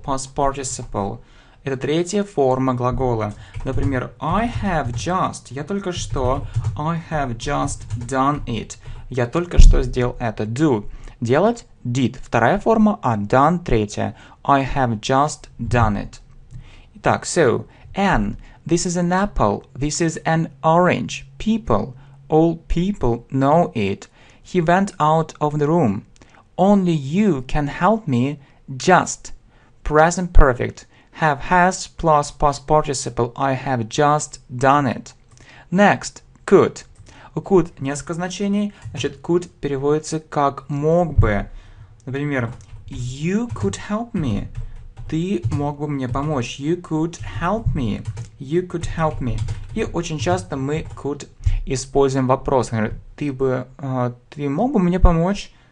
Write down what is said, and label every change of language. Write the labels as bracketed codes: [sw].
[en] Past participle. [ru] Это третья форма глагола. Например, [en] I have just... [ru] Я только что... [en] I have just done it. [ru] Я только что сделал это. Do. Делать. Did. Вторая форма, а done третья. [en] I have just done it. [ru] Так, [en] so, an, this is an apple, this is an orange, people, all people know it, he went out of the room, only you can help me, just, present perfect, have, has, plus past participle, I have just done it. Next, could. [ru] У could несколько значений, значит, could переводится как мог бы. Например, [en] you could help me. [ru] Ты мог бы мне помочь. [en] You could help me. You could help me. [ru] И очень часто мы could используем вопрос. Например, ты мог бы мне помочь?